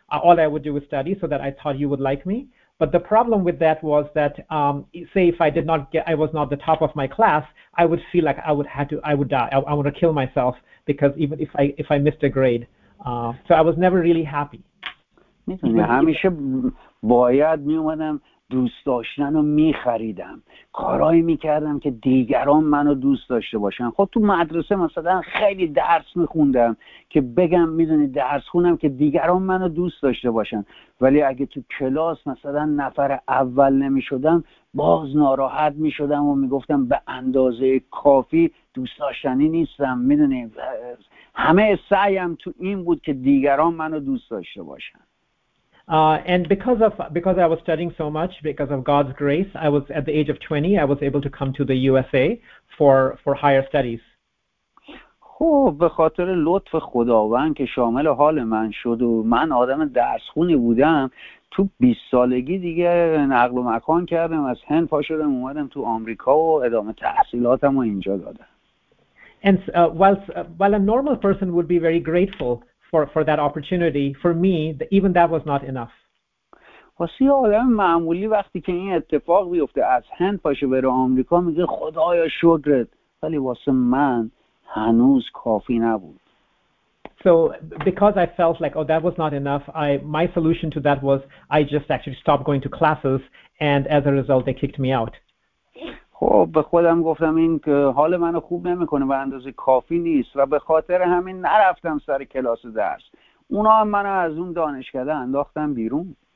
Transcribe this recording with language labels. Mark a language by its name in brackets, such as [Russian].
[English] All I would do was study so that I thought you would like me. But the problem with that was that say if I was not the top of my class, I would feel like I would die. I want to kill myself because even if I missed a grade, so I was never really happy. [Persian] همیشه باید میومدم دوست داشتن رو میخریدم، کارهایی میکردم که دیگران منو دوست داشته باشن. خب تو مدرسه مثلا خیلی درس میخوندم که بگم میدونی درس خونم که دیگران منو دوست داشته باشن، ولی اگه تو کلاس مثلا نفر اول نمیشدم باز ناراحت میشدم و میگفتم به اندازه کافی دوست داشتنی نیستم. میدونی همه سعیم تو این بود که دیگران منو دوست داشته باشن. [English] And because I was studying so much, because of God's grace, I was at the age of 20, I was able to come to the USA for higher studies. [Persian] خب به خاطر لطف خداوند که شامل حال من شد و من آدم درس خونی بودم، تو 20 سالگی دیگه نقل و مکان کردم، از هند پا شدم اومدم تو آمریکا و ادامه تحصیلاتم رو اینجا دادم. [English] And while a normal person would be very grateful for that opportunity, for me even that was not enough. [Persian] واسه یه آدم معمولی وقتی که این اتفاق بیفته از هند پاشه بره آمریکا میگه خدایا شکرت، ولی واسه من هنوز کافی نبود. [English] So because I felt like oh that was not enough, my solution to that was I just actually stopped going to classes and as a result they kicked me out. [Persian] خب به خودم گفتم این که حال منو خوب نمیکنه و اندازه کافی نیست و به خاطر همین نرفتم سر کلاس درس. اونا هم منو از اون دانشکده انداختن بیرون.